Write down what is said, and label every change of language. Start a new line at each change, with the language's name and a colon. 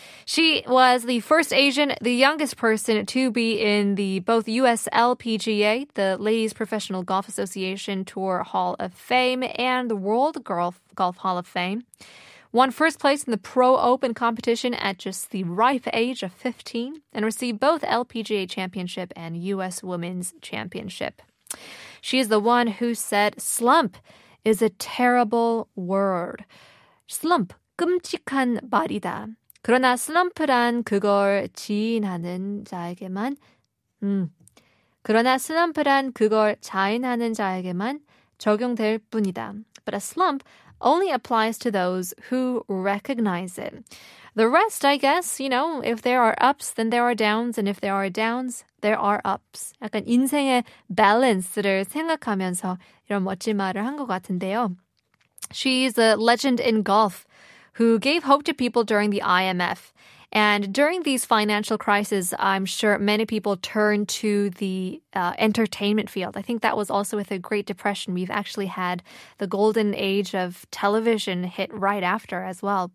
English: She was the first Asian, the youngest person to be in both US LPGA, the Ladies Professional Golf Association Tour Hall of Fame, and the World Golf Hall of Fame. Won first place in the Pro Open competition at just the ripe age of 15 and received both LPGA Championship and U.S. Women's Championship. She is the one who said, slump is a terrible word.
Korean: Slump, 끔찍한 말이다. 그러나 slump란 그걸 지인하는 자에게만 그러나 slump란 그걸 자인하는 자에게만 적용될 뿐이다.
English: But a slump only applies to those who recognize it. The rest, I guess, you know, if there are ups, then there are downs, and if there are downs, there are ups.
Korean: 약간 인생의 balance를 생각하면서 이런 멋진 말을 한 것 같은데요.
English: She's a legend in golf who gave hope to people during the IMF. And during these financial crises, I'm sure many people turned to the entertainment field. I think that was also with the Great Depression. We've actually had the golden age of television hit right after as well.